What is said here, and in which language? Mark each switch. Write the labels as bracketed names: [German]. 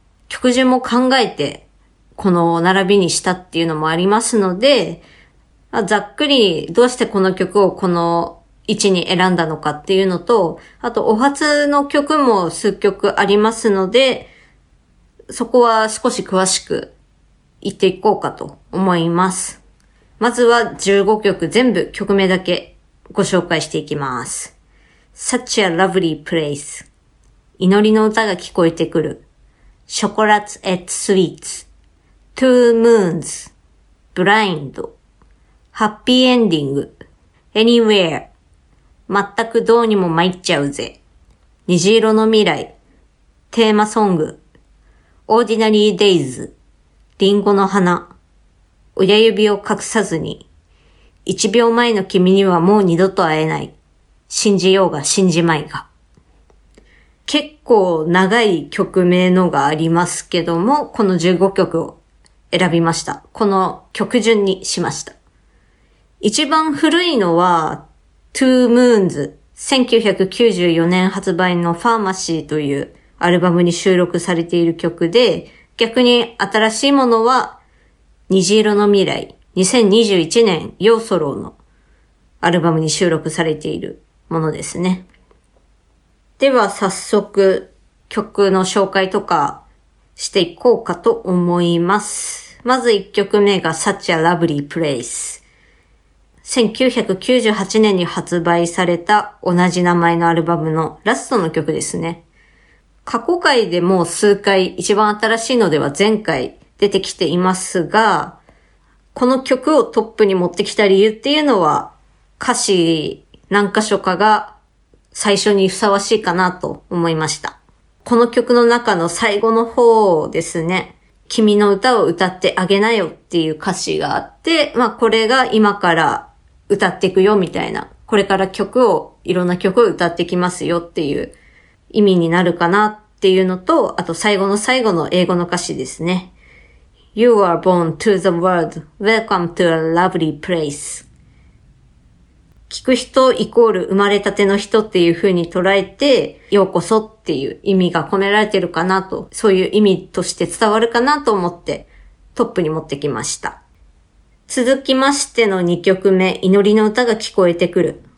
[Japanese] 曲順も考えてこの並びにしたっていうのもありますので、ざっくりどうしてこの曲をこの位置に選んだのかっていうのと、あとお初の曲も数曲ありますので、そこは少し詳しく言っていこうかと思います。まずは15曲全部曲名だけご紹介していきます。 Such a lovely place 祈りの歌が聞こえてくる Chocolate at Sweets Two Moons, Blind, Happy Ending, Anywhere, 全くどうにも参っちゃうぜ。虹色の未来、テーマソング、Ordinary Days, リンゴの花、親指を隠さずに、一秒前の君にはもう二度と会えない。信じようが信じまいが。結構長い曲名のがありますけども、この15曲を選びました。この曲順にしました。一番古いのは Two Moons 1994年発売のファーマシーというアルバムに収録されている曲で、逆に新しいものは虹色の未来2021年ヨーソローのアルバムに収録されているものですね。では早速曲の紹介とかしていこうかと思います。まず1曲目が Such a Lovely Place。 1998年に発売された同じ名前のアルバムのラストの曲ですね。過去回でもう数回、一番新しいのでは前回出てきていますが、この曲をトップに持ってきた理由っていうのは、歌詞何箇所かが最初にふさわしいかなと思いました。この曲の中の最後の方ですね。君の歌を歌ってあげなよっていう歌詞があって、まあこれが今から歌っていくよみたいな、これから曲を、いろんな曲を歌ってきますよっていう意味になるかなっていうのと、あと最後の最後の英語の歌詞ですね。 [English] You are born to the world. Welcome to a lovely place. [Japanese] 聞く人イコール生まれたての人っていう風に捉えて、ようこそっていう意味が込められてるかなと、そういう意味として伝わるかなと思ってトップに持ってきました。続きましての2曲目、祈りの歌が聞こえてくる。